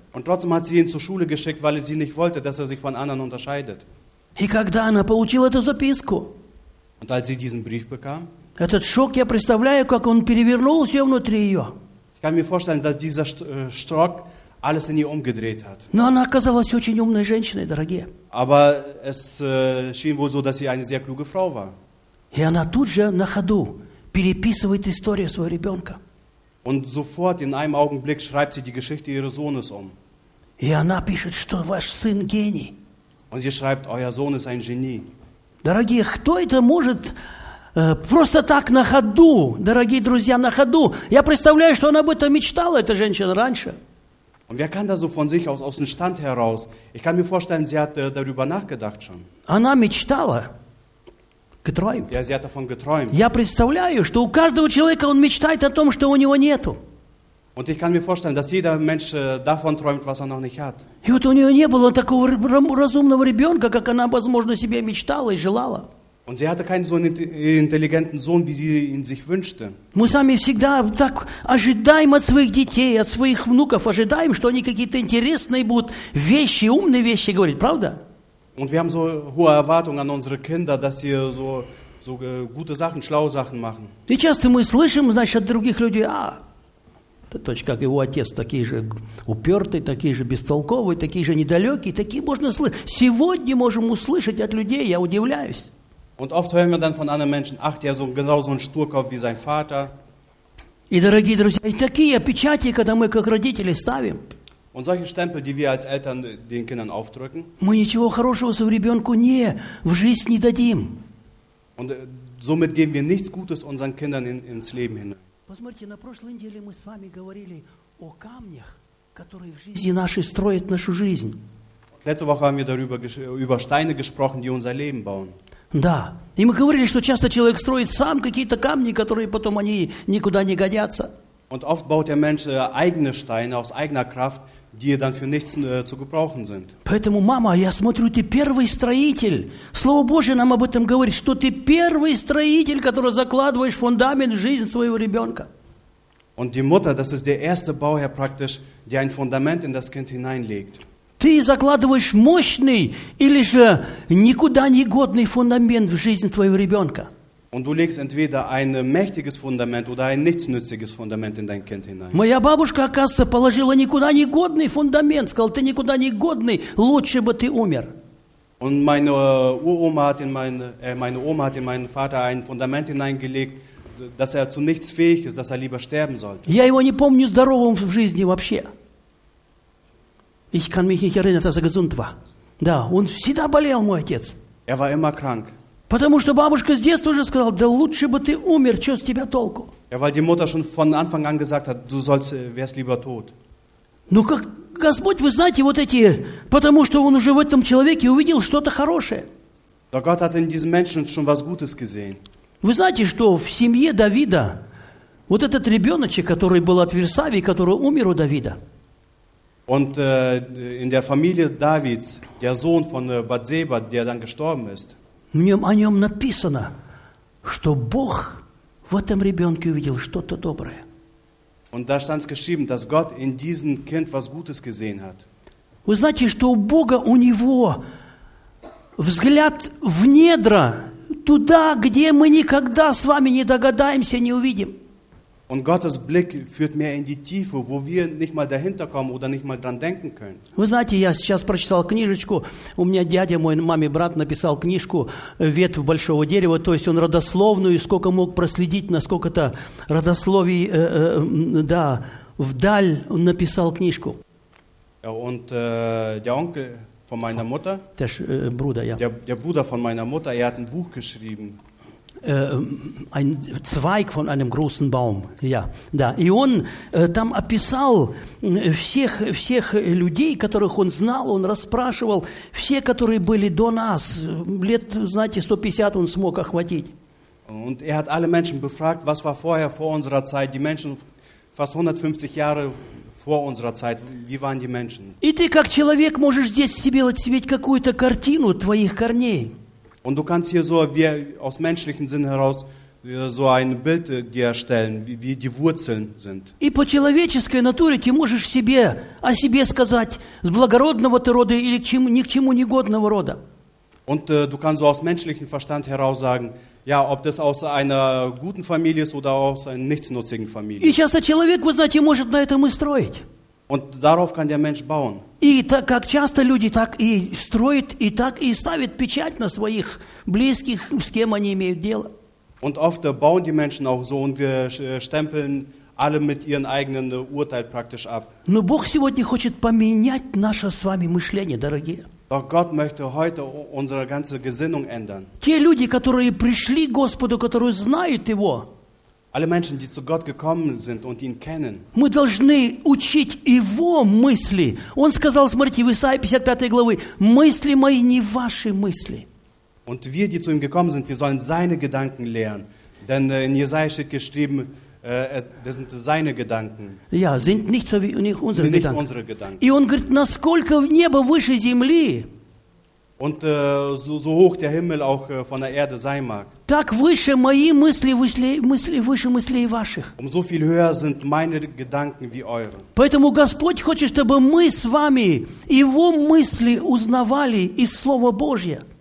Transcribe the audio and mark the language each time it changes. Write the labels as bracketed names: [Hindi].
[German] Und trotzdem hat sie ihn zur Schule geschickt, weil sie nicht wollte, dass sich von anderen unterscheidet. [Russian] И когда она получила эту записку? [German] Und als sie diesen Brief bekam? [Russian] Этот шок, я представляю, как он перевернул все внутри ее. [German] Ich kann mir vorstellen, dass dieser Schock alles in ihr umgedreht hat. [Russian] Но она оказалась очень умной женщиной, дорогие. [German] Aber es schien wohl so, dass sie eine sehr kluge Frau war. [Russian] И она тут же на ходу переписывает историю своего ребенка. [German] Und sofort, in einem Augenblick, schreibt sie die Geschichte ihres Sohnes um. [Russian] И она пишет, что ваш сын гений. [German] Und sie schreibt, euer Sohn ist ein Genie. [Russian] Дорогие, кто это может просто так на ходу, дорогие друзья, на ходу? Я представляю, что она об этом мечтала, эта женщина, раньше. [German] Und wer kann da so von sich aus dem Stand heraus? Ich kann mir vorstellen, sie hat darüber nachgedacht schon. [Russian] Она мечтала. [German] Geträumt. Ja, sie hat davon geträumt. [Russian] Я представляю, что у каждого человека он мечтает о том, что у него нету. [German] Und ich kann mir vorstellen, dass jeder Mensch davon träumt, was noch nicht hat. [Russian] И вот у нее не было такого разумного ребенка, как она, возможно, себе мечтала и желала. [German] Und sie hatte keinen so intelligenten Sohn, wie sie ihn sich wünschte. [Russian] Мы сами всегда так ожидаем от своих детей, от своих внуков, ожидаем, что они какие-то интересные будут вещи, умные вещи говорить, правда? [German] Und wir haben so hohe Erwartungen an unsere Kinder, dass sie so gute Sachen, schlaue Sachen machen. [Russian] И часто мы слышим, значит, от других людей, точно как его отец, такие же упертые, такие же бестолковые, такие же недалекие, такие можно слышать. Сегодня можем услышать от людей, я удивляюсь. [German] Und oft hören wir dann von anderen Menschen, ach, der so genau so ein Sturkopf wie sein Vater. [Russian] И дорогие друзья, и такие печати, когда мы как родители ставим. [German] Und solche Stempel, die wir als Eltern den Kindern aufdrücken. [Russian] Мы ничего хорошего своему ребёнку не в жизнь не дадим. [German] Und somit geben wir nichts Gutes unseren Kindern ins Leben hin. [Russian] Посмотрите, на прошлой неделе мы с вами говорили о камнях, которые в жизни нашей строят нашу жизнь. [German] Letzte Woche haben wir darüber über Steine gesprochen, die unser Leben bauen. [Russian] Да. И мы говорили, что часто человек строит сам какие-то камни, которые потом они никуда не годятся. [German] Und oft baut der Mensch eigene Steine aus eigener Kraft, die er dann für nichts zu gebrauchen sind. [Russian] Поэтому, Мама, я смотрю, ты первый строитель. Слово Божие нам об этом говорит, что ты первый строитель, который закладываешь фундамент в жизнь своего ребенка. [German] Und die Mutter, das ist der erste Bauherr praktisch, der ein Fundament in das Kind hineinlegt. [Russian] Ты закладываешь мощный или же никуда не годный фундамент в жизнь твоего ребенка. [German] Und du legst entweder ein mächtiges Fundament oder ein nichtsnütziges Fundament in dein Kind hinein. [Russian] Моя бабушка, оказывается, положила никуда не годный фундамент. Сказала, ты никуда не годный, лучше бы ты умер. [German] Und meine Oma hat in meinen Vater ein Fundament hineingelegt, dass er zu nichts fähig ist, dass er lieber sterben sollte. [Russian] Я его не помню здоровым в жизни вообще. [German] Ich kann mich nicht erinnern, dass er gesund war. [Russian] Да, он всегда болел, мой отец. [German] Er war immer krank. [Russian] Потому что бабушка с детства уже сказала, да лучше бы ты умер, что с тебя толку? [German] Ja, weil die Mutter schon von Anfang an gesagt hat, du sollst, wärst lieber tot. [Russian] Ну как Господь, вы знаете, вот эти, потому что он уже в этом человеке увидел что-то хорошее. [German] Да, Gott hat in diesem Menschen schon was Gutes gesehen. [Russian] Вы знаете, что в семье Давида, вот этот ребеночек, который был от Версавии, который умер у Давида. [German] Und in der Familie Davids, der Sohn von Bathseba, der dann gestorben ist. [Russian] О нем написано, что Бог в этом ребенке увидел что-то доброе. [German] Und da stand geschrieben, dass Gott in diesem Kind was Gutes gesehen hat. [Russian] Вы знаете, что у Бога, у него взгляд в недра, туда, где мы никогда с вами не догадаемся, не увидим. [German] Und Gottes Blick führt mehr in die Tiefe, wo wir nicht mal dahinter kommen oder nicht mal dran denken können. [Russian] Вы знаете, я сейчас прочитал книжечку. У меня дядя, мой маме брат, написал книжку «Ветвь большого дерева». То есть он родословную, сколько мог проследить, насколько это родословие, да, вдаль написал книжку. [German] Ja, und der Onkel von meiner Mutter, Bruder, ja. Der Bruder von meiner Mutter, er hat ein Buch geschrieben. Ein Zweig von einem großen Baum, ja, da. [Russian] И он там описал всех людей, которых он знал, он расспрашивал, все, которые были до нас, лет, знаете, 150 он смог охватить. [German] Und er hat alle Menschen befragt, was war vorher, vor unserer Zeit, die Menschen fast 150 Jahre vor unserer Zeit, wie waren die Menschen? [Russian] И ты как человек можешь здесь себе отсветить какую-то картину твоих корней. [German] Und du kannst hier so, wie aus menschlichem Sinn heraus, so ein Bild dir erstellen, wie die Wurzeln sind. [Russian] И по человеческой натуре ты можешь себе о себе сказать, с благородного ты рода или ни к чему негодного рода. [German] Und du kannst so aus menschlichem Verstand heraus sagen, ja, ob das aus einer guten Familie ist oder aus einer nichtsnutzigen Familie. [Russian] И часто человек, вы знаете, может на этом и строить. [German] Und darauf kann der Mensch bauen. [Russian] И так, как часто люди так и строят, и так и ставят печать на своих близких, с кем они имеют дело. [German] Und oft bauen die Menschen auch so und stempeln alle mit ihren eigenen Urteil praktisch ab. [Russian] Но Бог сегодня хочет поменять наше с вами мышление, дорогие. [German] Doch Gott möchte heute unsere ganze Gesinnung ändern. [Russian] Те люди, которые пришли к Господу, которые знают Его, [German] alle Menschen, die zu Gott gekommen sind und ihn kennen. [Russian] Мы должны учить его мысли. Он сказал, смотрите, в Исаии 55 главы, мысли мои не ваши мысли. [German] Und wir, die zu ihm gekommen sind, wir sollen seine Gedanken lernen. Denn in Jesaja steht geschrieben, das sind seine Gedanken. Ja, sind nicht so wie nicht unsere nicht Gedanken. Unsere Gedanken. [Russian] И он говорит, насколько в небо выше земли. [German] Und so hoch der Himmel auch von der Erde sein mag. [Russian] Так выше мои мысли, мысли выше мыслей ваших. [German] Umso viel höher sind meine Gedanken wie eure. [Russian] Поэтому Господь хочет, чтобы мы с вами Его мысли узнавали из Слова Божия.